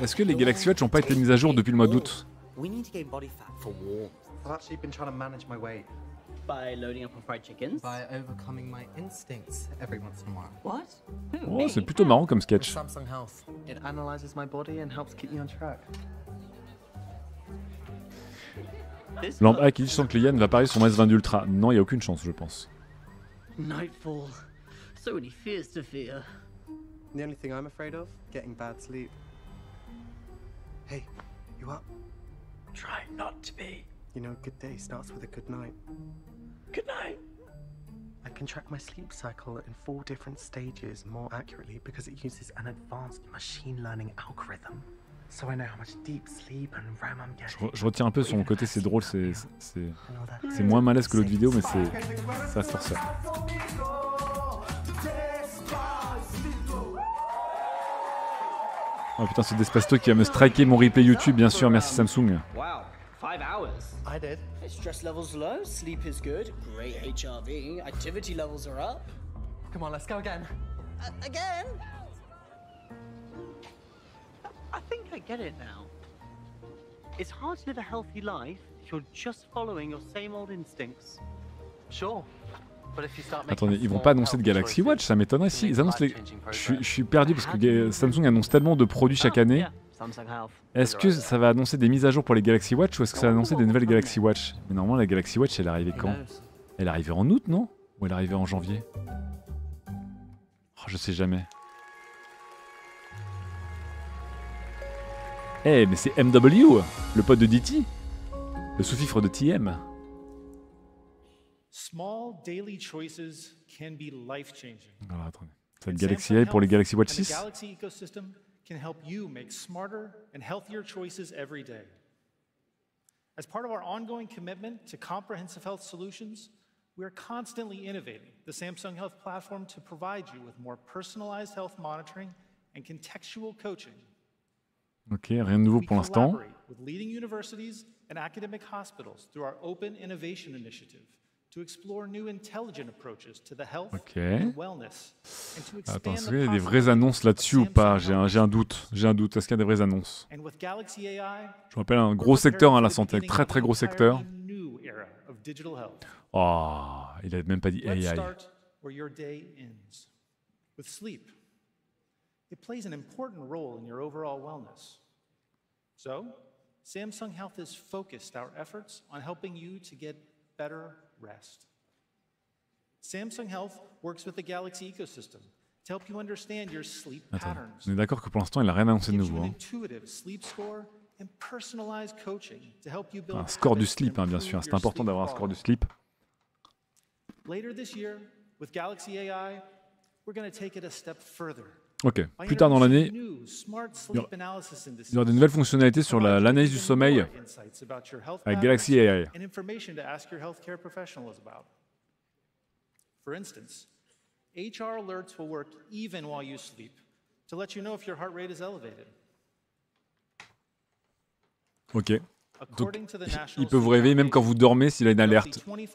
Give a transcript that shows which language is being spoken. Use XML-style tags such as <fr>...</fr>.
<fr>Est-ce que les Galaxy Watch n'ont pas été mis à jour depuis le mois d'août?</fr> <en>We need to gain body fat for warmth. I've actually been trying to manage my weight. By loading up on fried chickens? By overcoming my instincts every once in a while. What?</en> <fr>Oh, c'est plutôt marrant comme sketch.</fr> <en>Samsung Health. It analyzes my body and helps keep me on track.</en> <fr>Lamp A qui dit que Liane va parier sur mon S20 Ultra. Non, il n'y a aucune chance, je pense.</fr> <en>Nightfall. So many fears to fear. The only thing I'm afraid of, getting bad sleep. Hey, you up? Try not to be. You know, a good day starts with a good night. Good night. I can track my sleep cycle in four different stages more accurately because it uses an advanced machine learning algorithm. So I know how much deep sleep and REM I'm getting.</en> <fr>Je retiens un peu sur mon côté, c'est drôle, c'est moins malaise que l'autre vidéo, mais c'est forceur. Oh putain, c'est Despacito qui va me striker mon replay YouTube, bien sûr, merci Samsung.</fr> <en>Wow, 5 hours. I did. Stress levels low, sleep is good, great HRV, activity levels are up. Come on, let's go again. Again? I think I get it now. It's hard to live a healthy life if you're just following your same old instincts. Sure.</en> <fr>Attendez, ils vont pas annoncer de Galaxy Watch, ça m'étonnerait si ils annoncent les... Je suis perdu parce que Samsung annonce tellement de produits chaque année. Est-ce que ça va annoncer des mises à jour pour les Galaxy Watch ou est-ce que ça va annoncer des nouvelles Galaxy Watch? Mais normalement la Galaxy Watch elle est arrivée quand? Elle est arrivée en août, non? Ou elle est arrivée en janvier? Oh, je sais jamais. Eh, mais c'est MW, le pote de DT. Le sous-fifre de TM.</fr> <en>Small daily choices can be life-changing.</en> <fr>Voilà, attendez. C'est le Galaxy AI pour les Galaxy Watch 6.</fr> <en>The Galaxy ecosystem can help you make smarter and healthier choices every day. As part of our ongoing commitment to comprehensive health solutions, we are constantly innovating the Samsung Health platform to provide you with more personalized health monitoring and contextual coaching.</en> <fr>OK, rien de nouveau pour l'instant.</fr> <en>We collaborate with leading universities and academic hospitals through our Open Innovation Initiative. To explore new intelligent approaches to the health okay. And wellness.</en> <fr>Attends, est-ce qu'il y a des vraies annonces là-dessus ou pas? J'ai un doute. Est-ce qu'il y a des vraies annonces? Je m'appelle un gros secteur à la santé, très très gros secteur. Oh, il n'a même pas dit AI.</fr> <en>Let's start where your day ends. With sleep, it plays an important role in your overall wellness. So, Samsung Health has focused our efforts on helping you to get better rest. Samsung Health works with the Galaxy ecosystem to help you understand your sleep patterns.</en> <fr>On est d'accord que pour l'instant, il n'a rien annoncé de nouveau.</fr> <en>Intuitive sleep score and personalized coaching to help you build</en> <fr>un score du sleep, bien sûr. C'est important d'avoir un score du sleep.</fr> <en>Later this year, with Galaxy AI, we're going to take it a step further.</en> <fr>Ok, plus tard dans l'année, il y aura des nouvelles fonctionnalités sur l'analyse du sommeil avec Galaxy AI.</fr> <en>For instance, HR alerts will work even while you sleep to let you know if your heart rate is elevated.</en> <fr>Ok, donc il peut vous réveiller même quand vous dormez s'il a une alerte.</fr>